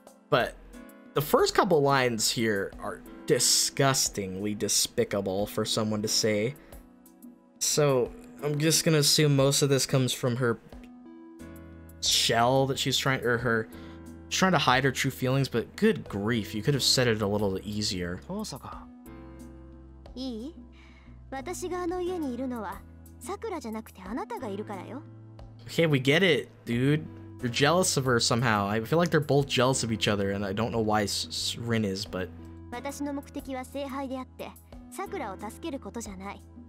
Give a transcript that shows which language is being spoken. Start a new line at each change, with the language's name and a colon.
English: But the first couple lines here are disgustingly despicable for someone to say. So I'm just gonna assume most of this comes from her shell that she's trying, or her trying to hide her true feelings, but good grief, you could have said it a little easier. Tosaka.
Japanese: Ii? 私があの家にいるのは、さくらじゃなくてあなたがいるからよ。
English: Okay, we get it, dude. You're jealous of her somehow. I feel like they're both jealous of each other, and I don't know why Rin is, but
Japanese: 私の目的は聖杯であって、さくらを助けることじゃない。